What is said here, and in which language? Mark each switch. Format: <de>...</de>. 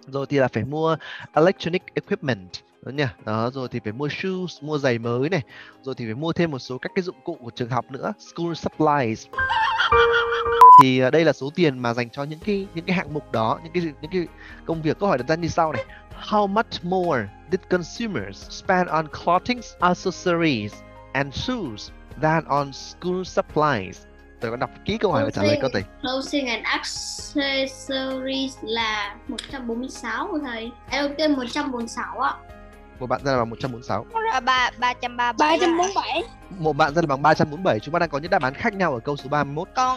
<vi>Rồi thì là phải mua electronic equipment. Đó nha. Đó, rồi thì phải mua shoes, mua giày mới này. Rồi thì phải mua thêm một số các cái dụng cụ của trường học nữa, school supplies. Thì đây là số tiền mà dành cho những cái hạng mục đó, những cái công việc. Câu hỏi đặt ra như sau này.</vi> <en>How much more did consumers spend on clothing, accessories and shoes than on school supplies?</en> <vi>Tôi có đọc kỹ câu hỏi và trả lời câu thầy. Clothing and accessories là 146 của thầy. Em đầu tiên 146 ạ. Một bạn ra là bằng 146. 347. Một bạn ra là bằng 347. Chúng ta đang có những đáp án khác nhau ở câu số 31.</vi>